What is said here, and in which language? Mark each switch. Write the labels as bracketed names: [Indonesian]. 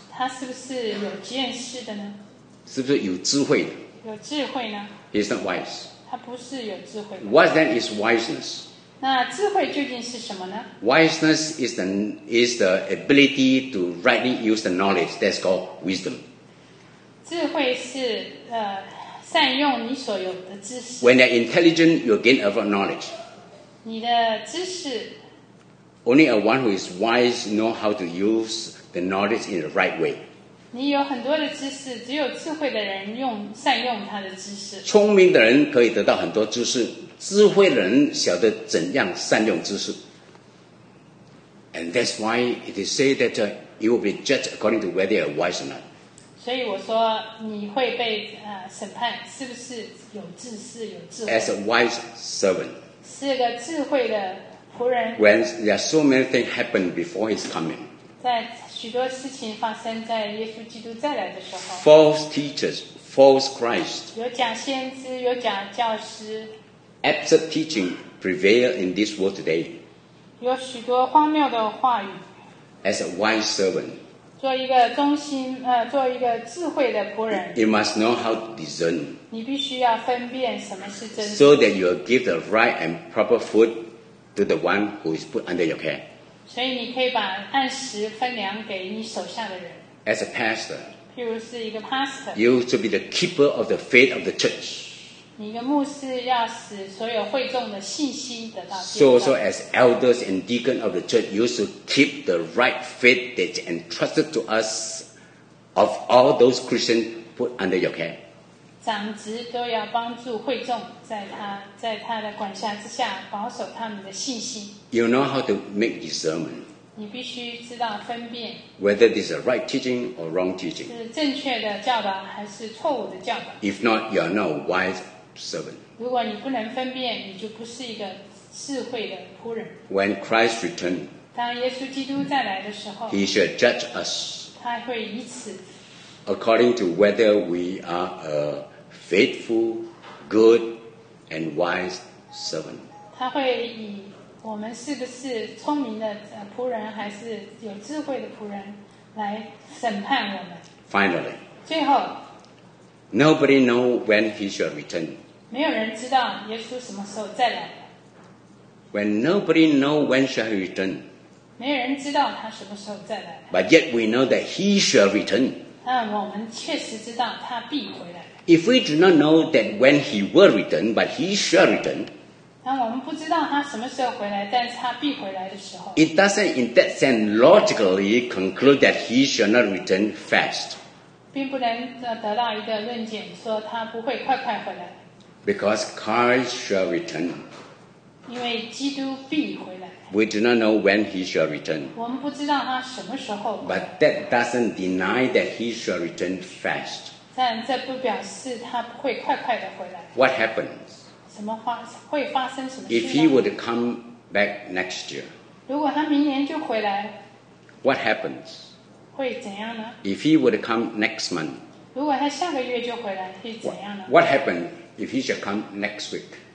[Chinese] 他是不是有见识的呢？是不是有智慧的？有智慧呢？ [English] He is not wise. [Chinese] 他不是有智慧的。 [English] What then is wiseness? [Chinese] 那智慧究竟是什么呢？ [English] Wiseness is the ability to rightly use the knowledge. That's called wisdom. [Chinese] 智慧是善用你所有的知识。 [English] When you're intelligent, you gain a lot of knowledge. [Chinese] 你的知识。 [English] Only a one who is wise know how to use the knowledge in the right way. [Chinese] 你有很多的知识，只有智慧的人善用他的知识。聪明的人可以得到很多知识，智慧的人晓得怎样善用知识。 [English] And that's why it is said that you will be judged according to whether you are wise or not. [Chinese] 所以我说你会被审判，是不是有知识、有智慧。 [English] As a wise servant. [Chinese] 是个智慧的仆人。 [English] When there are so many things happen before his coming. [Chinese] 在许多事情发生在耶稣基督再来的时候。 [English] False teachers, false Christ. [Chinese] 有假先知，有假教师。 [English] Absurd teaching prevail in this world today. [Chinese] 有许多荒谬的话语。 [English] As a wise servant. [Chinese] 做一个忠心，做一个智慧的仆人。 [English] You must know how to discern. [Chinese] 你必须要分辨什么是真。 [English] So that you will give the right and proper food to the one who is put under your care. [Chinese] 所以你可以把按时分粮给你手下的人。 [English] As a pastor, [Chinese] 譬如是一个 pastor, [English] you should be the keeper of the faith of the church. [Chinese] 你一个牧师要使所有会众的信心得到。 [English] So as elders and deacons of the church, you should keep the right faith that's entrusted to us of all those Christians put under your care. [Chinese] 长子都要帮助会众在他的管辖之下保守他们的信心。 [English] You know how to make discernment. [Chinese] 你必须知道分辨。 [English] Whether this is a right teaching or wrong teaching. [Chinese] 是正确的教导还是错误的教导。 [English] If not, you are not a wise servant. [Chinese] 如果你不能分辨，你就不是一个智慧的仆人。 [English] When Christ returns, [Chinese] 当耶稣基督再来的时候， [English] He shall judge us. [Chinese] 他会以此 [English] according to whether we are a faithful, good, and wise servant. [Chinese] 他会以我们是不是聪明的仆人还是有智慧的仆人来审判我们。 [English] Finally, [Chinese] 最后， [English] nobody knows when he shall return. [Chinese] 没有人知道耶稣什么时候再来。 [English] When nobody knows when shall he return. [Chinese] 没有人知道他什么时候再来。 [English] But yet we know that he shall return. [Chinese] 但我们确实知道他必回来。 [English] If we do not know that when he will return, but he shall return. [Chinese] 但我们不知道他什么时候回来，但是他必回来的时候。 [English] It doesn't in that sense logically conclude that he shall not return fast. [Chinese] 并不能得到一个论点说他不会快快回来。 [English] Because Christ shall return. [Chinese] 因为基督必回来。 [English] We do not know when he shall return. [Chinese] 我们不知道他什么时候。 [English] But that doesn't deny that he shall return fast. [Chinese] 但这不表示他不会快快的回来。 [English] What happens? [Chinese] 什么发会发生什么事呢? [English] If he were to come back next year. [Chinese] 如果他明年就回来。 [English] What happens? [Chinese] 会怎样呢? [English] If he were to come next month. [Chinese] 如果他下个月就回来，会怎样呢? [English] What happens if he shall come next week?